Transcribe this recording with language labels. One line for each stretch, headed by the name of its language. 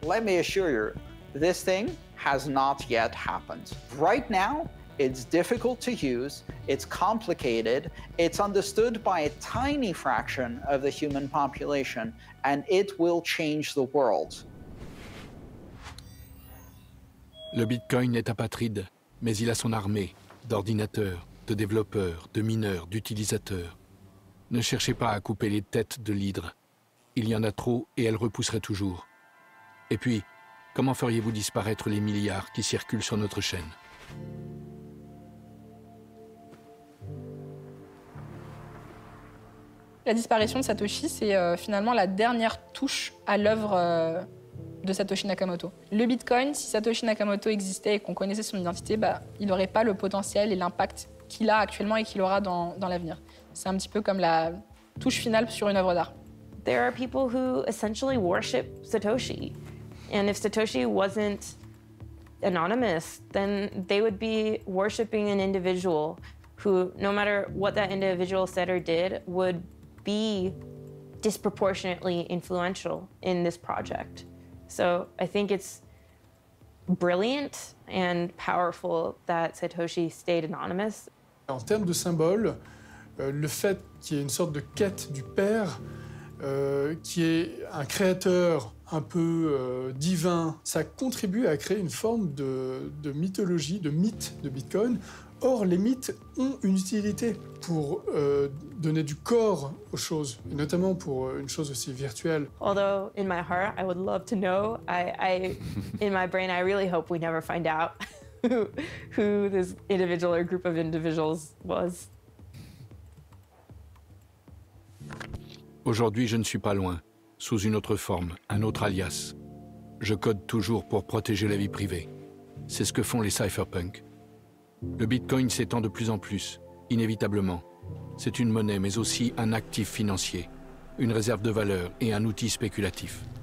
English: Let me assure you, this thing has not yet happened. Right now, it's difficult to use, it's complicated, it's understood by a tiny fraction of the human population, and it will change the world.
French: Le Bitcoin est apatride, mais il a son armée d'ordinateurs, de développeurs, de mineurs, d'utilisateurs. Ne cherchez pas à couper les têtes de l'hydre. Il y en a trop et elle repousserait toujours. Et puis, comment feriez-vous disparaître les milliards qui circulent sur notre chaîne? La disparition de Satoshi, c'est finalement la dernière touche à l'œuvre de Satoshi Nakamoto. Le Bitcoin, si Satoshi Nakamoto existait et qu'on connaissait son identité, il n'aurait pas le potentiel et l'impact qu'il a actuellement et qu'il aura dans l'avenir. C'est un petit peu comme la touche finale sur une œuvre d'art.
English: There are people who essentially worship Satoshi. And if Satoshi wasn't anonymous, then they would be worshiping an individual who, no matter what that individual said or did, would be disproportionately influential in this project. So I think it's brilliant and powerful that Satoshi stayed anonymous.
French: En termes de symbole, le fait qu'il y ait une sorte de quête du père, qui est un créateur un peu divin, ça contribue à créer une forme de mythologie, de mythe de Bitcoin. Or, les mythes ont une utilité pour donner du corps aux choses, et notamment pour une chose aussi virtuelle.
English: Although in my heart, I would love to know. I in my brain, I really hope we never find out who this individual or group of individuals was.
French: Aujourd'hui, je ne suis pas loin, sous une autre forme, un autre alias. Je code toujours pour protéger la vie privée. C'est ce que font les cypherpunks. Le Bitcoin s'étend de plus en plus, inévitablement. C'est une monnaie, mais aussi un actif financier, une réserve de valeur et un outil spéculatif.